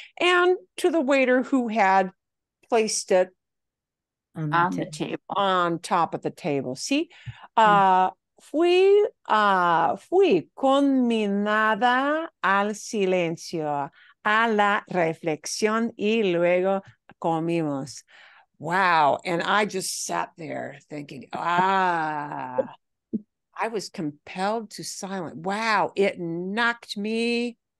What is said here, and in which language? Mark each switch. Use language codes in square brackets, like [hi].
[en] and to the waiter who had placed it on top of the table. [es] See, fui conminada al silencio, a la reflexión, y luego comimos. [en] Wow, and I just sat there thinking, I was compelled to silence. Wow, it knocked me